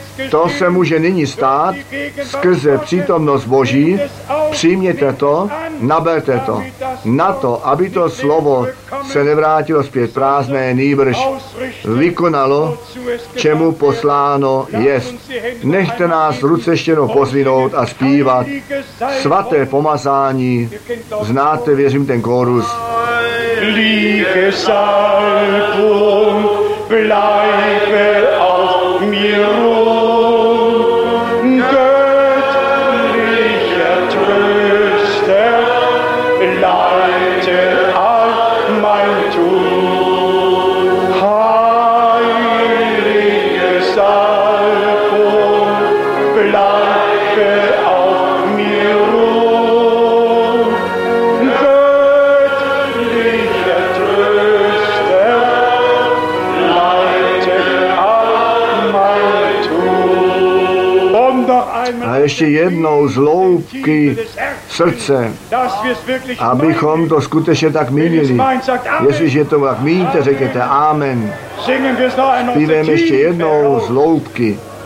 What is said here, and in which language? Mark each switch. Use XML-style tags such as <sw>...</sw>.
<cs>to se může nyní stát skrze přítomnost Boží, přijměte to, naberte to, na to, aby to slovo se nevrátilo zpět prázdné, nýbrž vykonalo, čemu posláno jest. Nechte nás ruce štěno pozvinout a zpívat svaté pomazání, znáte, věřím, ten kórus.</cs> <de>Liebe Salbung, bleibe auf mir ruhen, göttlicher Tröster, leite all mein Tun. Heilige Salbung, bleibe auf mir ruhen, göttlicher Tröster, leite all mein Tun. Und noch einmal,</de> <cs>a ještě jednou z hloubky srdce, abychom to skutečně tak mínili. Jestliže to tak míníte, řekněte amen. Zpíváme ještě jednou z loupky.</cs>